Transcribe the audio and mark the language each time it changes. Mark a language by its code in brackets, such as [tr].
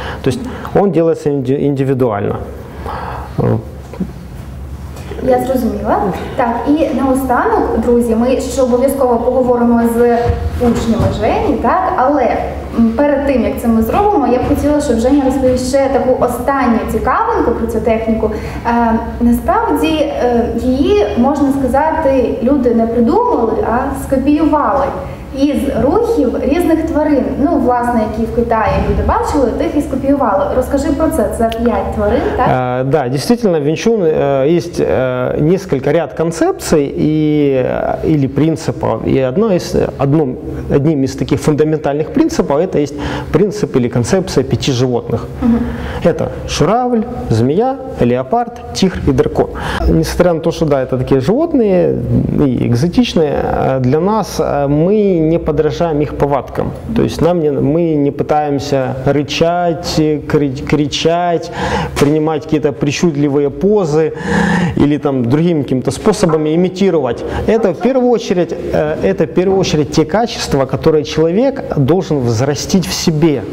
[ru] То есть он делается индивидуально. [uk] Я зрозуміла. Так, і наостанок, друзі, ми ще обов'язково поговоримо з учнями Жені, так? Але перед тим, як це ми зробимо, я б хотіла, щоб Женя розповів ще таку останню цікавинку про цю техніку. Насправді, її, можна сказати, люди не придумали, а скопіювали із рухів різних тварин. Ну, власне, які в Китаї люди бачили, тих і скопіювали. Розкажи про це 5 тварин, так? Да, дійсно, в Вінчун є [ru] несколько ряд [uk] концепцій і принципів. І одним із таких фундаментальних принципів – це є принцип або концепція 5 животних. Угу. Це журавль, змія, леопард, тигр і дракон. [ru] Несмотря на те, [uk] що, да, це такі животні і екзотичні, для нас ми [ru] не подражаем их повадкам. То есть мы не пытаемся рычать, кричать, принимать какие-то причудливые позы или там другим каким-то способом имитировать. Это в первую очередь те качества, которые человек должен взрастить в себе.